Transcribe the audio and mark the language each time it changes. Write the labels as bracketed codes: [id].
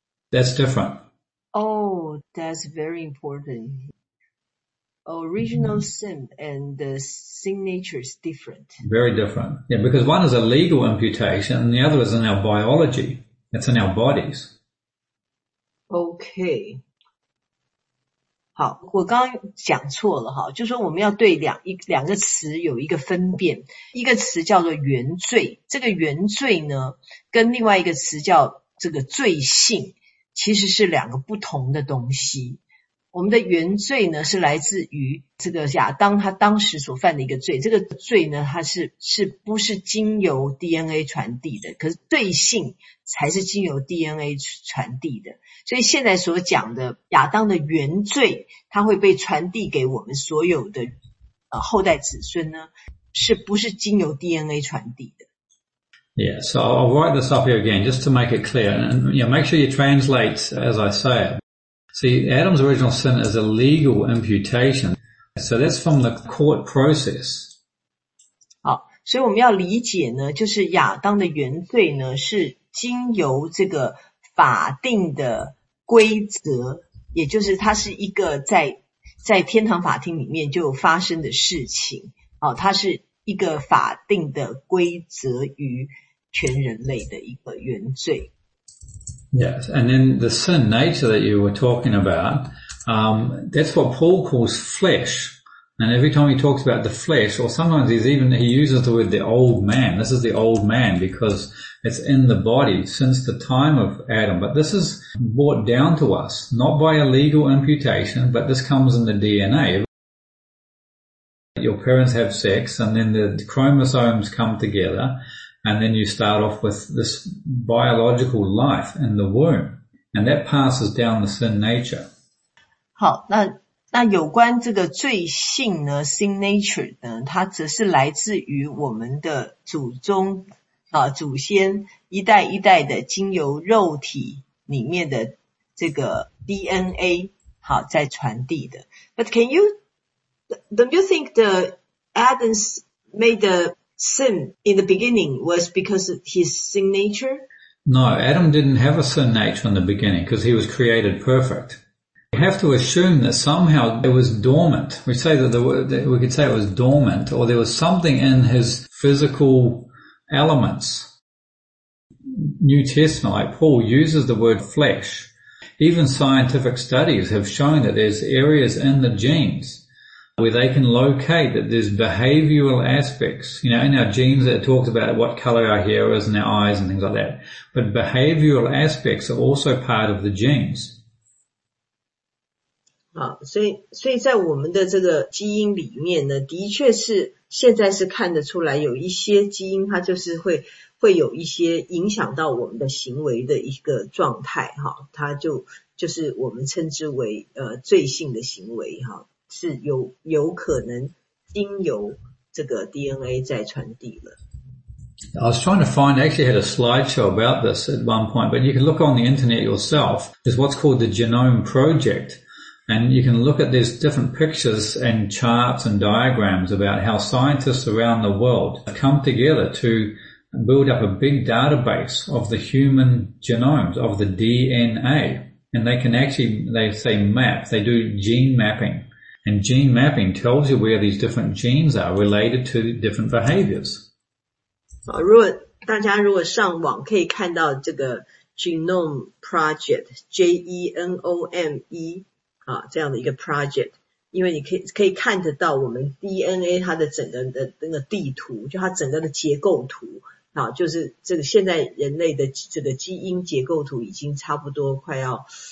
[en] That's different. Oh, that's very important. Original sin and the sin nature is different. Very different. Yeah, because one is a legal imputation and the other is in our biology. It's in our bodies. Okay. [zh] 好，我刚刚讲错了哈，就是说我们要对两个词有一个分辨，一个词叫做原罪，这个原罪呢，跟另外一个词叫这个罪性，其实是两个不同的东西。我们的原罪呢，是来自于这个亚当他当时所犯的一个罪，这个罪呢，它是不是经由 DNA 传递的？可是罪性才是经由 DNA 传递的。所以现在所讲的亚当的原罪，它会被传递给我们所有的后代子孙呢，是不是经由 DNA 传递的？ [en] Yeah, so I'll write this up here again just to make it clear, and you know, make sure you translate as I say it. See, Adam's original sin is a legal imputation. So that's from the court process. 好，所以我们要理解呢，就是亚当的原罪呢，是经由这个法定的规则，也就是它是一个在天堂法庭里面就发生的事情。好，它是一个法定的规则于全人类的一个原罪。 Yes, and then the sin nature that you were talking about, that's what Paul calls flesh. And every time he talks about the flesh, or sometimes he uses the word the old man. This is the old man because it's in the body since the time of Adam. But this is brought down to us, not by a legal imputation, but this comes in the DNA. Your parents have sex and then the chromosomes come together. And then you start off with this biological life in the womb. And that passes down the sin nature. [zh] 好，那有关这个罪性呢， [en] sin nature [zh] 呢，它则是来自于我们的祖宗，祖先一代一代的经由肉体里面的这个 DNA， 好，在传递的。 [en] But don't you think the Adam's made the sin in the beginning was because of his sin nature? No, Adam didn't have a sin nature in the beginning because he was created perfect. We have to assume that somehow it was dormant. We say that we could say it was dormant or there was something in his physical elements. New Testament, like Paul, uses the word flesh. Even scientific studies have shown that there's areas in the genes where they can locate that there's behavioral aspects, you know, in our genes it talks about what color our hair is and our eyes and things like that. But behavioral aspects are also part of the genes. [zh] 好，所以在我们的这个基因里面呢，的确是现在是看得出来有一些基因它就是会有一些影响到我们的行为的一个状态，它就是我们称之为罪性的行为，是有可能经由这个 DNA 在传递了。 [en] I was trying to find, I actually had a slideshow about this at one point, but you can look on the internet yourself. There's what's called the Genome Project. And you can look at these different pictures and charts and diagrams about how scientists around the world have come together to build up a big database of the human genomes, of the DNA. And they can actually, they say map, they do gene mapping. And gene mapping tells you where these different genes are related to different behaviors. [zh] 如果大家如果上网可以看到这个 Genome Project, Genome, 这样的一个 project, 因为你可以看得到我们 DNA 它的整个的那个地图，就它整个的结构图，就是这个现在人类的这个基因结构图已经差不多快要